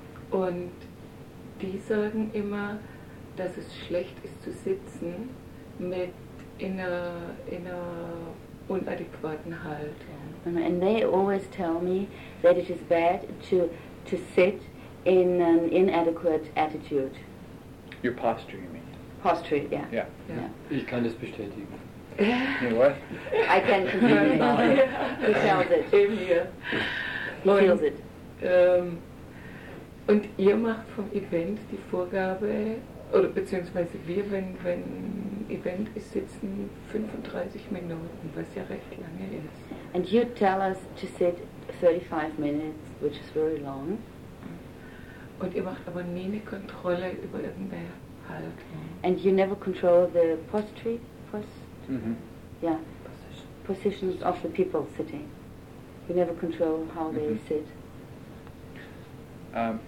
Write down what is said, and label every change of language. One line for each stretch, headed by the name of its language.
German: Und die sagen immer, dass es schlecht ist zu sitzen mit in einer unadäquaten Halt.
English: And they always tell me that it is bad to sit in an inadequate attitude. Your posture, you mean? Posture, yeah. Yeah. Yeah.
German: Ich kann das bestätigen.
English: You know what? I can confirm it. He tells it.
German: Eben hier.
English: He feels it.
German: Und ihr macht vom Event die Vorgabe, oder beziehungsweise wir, wenn Event ist, sitzen 35 Minuten, was ja recht lange ist.
English: And you tell us to sit 35 minutes, which is very long.
German: Und ihr macht aber nie eine Kontrolle über irgendwer halt.
English: And you never control the posture, mm-hmm. yeah, positions of the people sitting. You never control how mm-hmm. they sit.